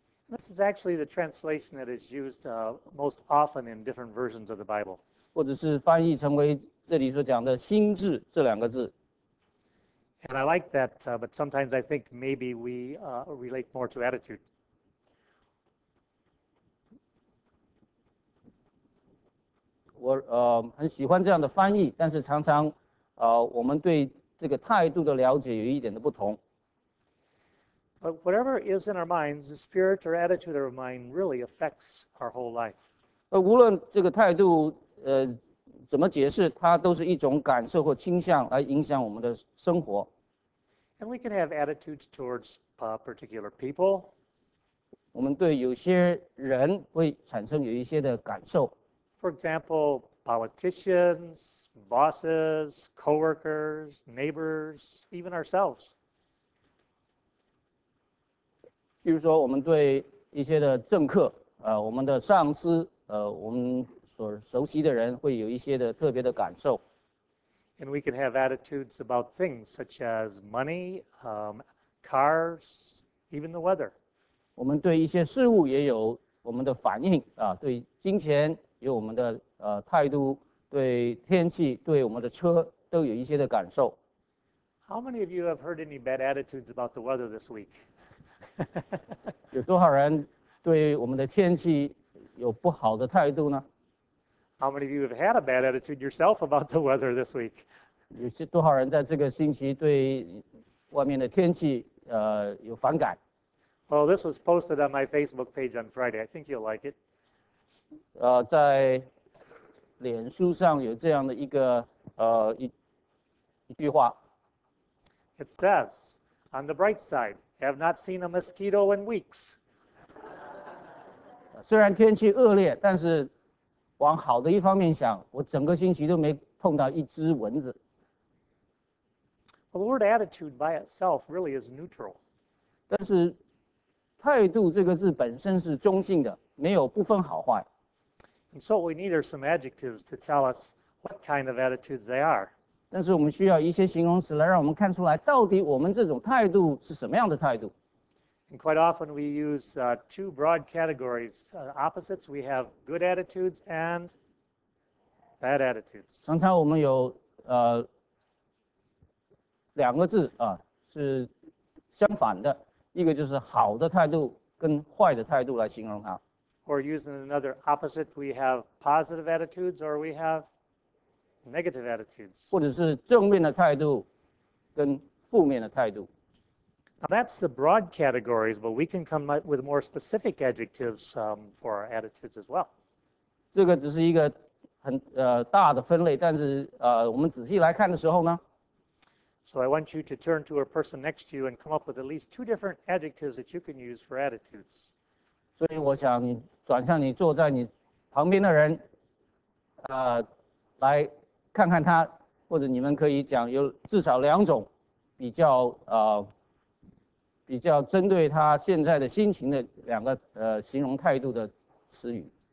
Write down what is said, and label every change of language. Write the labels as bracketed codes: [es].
[en] This is actually the translation that is used most often in different versions of the Bible. [zh] 或者是翻译成为这里所讲的心智这两个字。 [en] And I like that, but sometimes I think maybe we relate more to attitude. [zh] 我很喜欢这样的翻译，但是常常我们对这个态度的了解有一点的不同。 [en] But whatever is in our minds, the spirit or attitude of our mind really affects our whole life. [zh] 无论这个态度怎么解释，它都是一种感受或倾向来影响我们的生活。 [en] And we can have attitudes towards particular people. [zh] 我们对有些人会产生有一些的感受。 [en] For example, politicians, bosses, coworkers, neighbors, even ourselves. [zh] 比如说，我们对一些的政客，我们的上司，我们所熟悉的人，会有一些的特别的感受。 [en] And we can have attitudes about things such as money, cars, even the weather. [zh] 我们对一些事物也有我们的反应啊，对金钱有我们的态度，对天气、对我们的车都有一些的感受。 [en] How many of you have heard any bad attitudes about the weather this week? [zh] 有多少人对我们的天气有不好的态度呢？ [en] How many of you have had a bad attitude yourself about the weather this week? [zh] 有多少人在这个星期对外面的天气有反感？ [en] Well, this was posted on my Facebook page on Friday. I think you'll like it. [zh] 在脸书上有这样的一个一句话。 [en] It says, "On the bright side, have not seen a mosquito in weeks." [zh] 虽然天气恶劣，但是往好的一方面想，我整个星期都没碰到一只蚊子。 [en] Well, the word attitude by itself really is neutral. [zh] 但是态度这个字本身是中性的，没有不分好坏。 [en] And so what we need are some adjectives to tell us what kind of attitudes they are. [zh] 但是我们需要一些形容词来让我们看出来到底我们这种态度是什么样的态度。 [en] And quite often we use two broad categories, opposites. We have good attitudes and bad attitudes. [zh] 常常我们有两个字啊，是相反的，一个就是好的态度跟坏的态度来形容它。 [en] Or using another opposite, we have positive attitudes or we have negative attitudes. [zh] 或者是正面的态度跟负面的态度。 [en] Now that's the broad categories, but we can come up with more specific adjectives for our attitudes as well. [zh] 这个只是一个很大的分类，但是我们仔细来看的时候呢。 [en] So I want you to turn to a person next to you and come up with at least two different adjectives that you can use for attitudes. [zh] 所以我想你转向你坐在你旁边的人，来看看他，或者你们可以讲有至少两种比较比较针对他现在的心情的两个形容态度的词语。